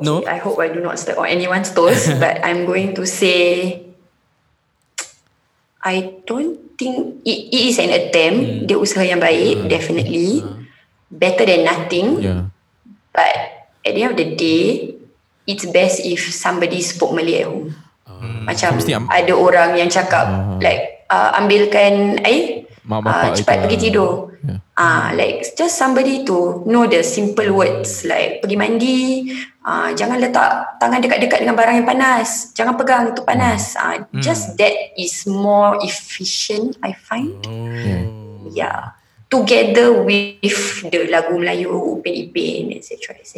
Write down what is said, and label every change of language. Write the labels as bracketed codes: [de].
[en] Okay. No? I hope I do not step on anyone's toes, but I'm going to say I don't think it is an attempt. [ms] Dia usaha yang baik, [en] definitely. Better than nothing. Yeah. But at the end of the day, it's best if somebody spoke Malay at home. [ms] Macam ada orang yang cakap, like, ambilkan air, cepat pergi tidur. [en] Yeah. Like, just somebody to know the simple words. Like, [ms] pergi mandi, jangan letak tangan dekat-dekat dengan barang yang panas. Jangan pegang, itu panas. [en] Just that is more efficient, I find. Yeah. together with the [ms] lagu Melayu [en] Upin Ipin, etc.